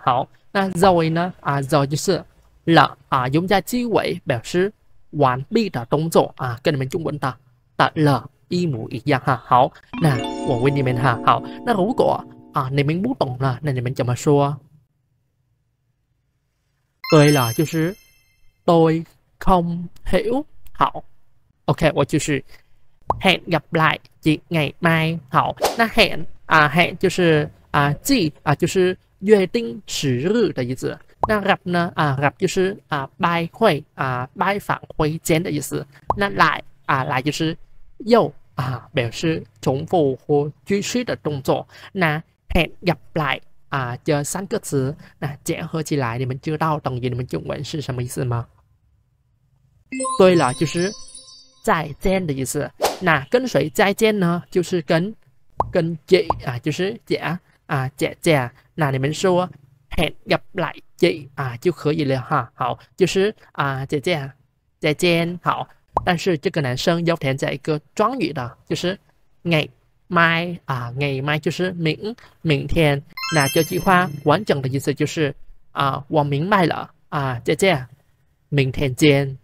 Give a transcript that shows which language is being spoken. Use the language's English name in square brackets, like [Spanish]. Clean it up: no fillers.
[Chinese] 好，那 rồi 呢啊 ，rồi 就是了啊，用在句尾表示。完毕的动作啊，跟你们中文的了一模一样哈。好，那我问你们哈，好，那如果啊你们不懂了，那你们怎么说？对了，就是 [Vietnamese] tôi không hiểu。 [Chinese] 好 ，OK， 我就是 [Vietnamese] hẹn gặp lại chị ngày mai。 [Chinese] 好，那 hẹn 啊 hẹn 就是啊 chị 啊就是约定时日的意思。那 gặp 呢？啊 ，gặp 就是啊，拜会啊，拜访会见的意思。那来啊，来就是又啊，表示重复或继续的动作。那 [Vietnamese] hẹn gặp lại [Chinese] 啊，这三个词，那结合起来，你们知道等于你们中文是什么意思吗？对了，就是再见的意思。那跟谁再见呢？就是跟姐啊，就是姐啊，姐。那你们说 [Vietnamese] hẹn gặp lại。 [Chinese] 姐啊就可以了哈。好，就是啊姐姐。好，但是这个男生要填在一个状语的，就是ngày mai啊，ngày mai 就是明天。那这句话完整的意思就是啊，我明白了啊，姐姐，明天见。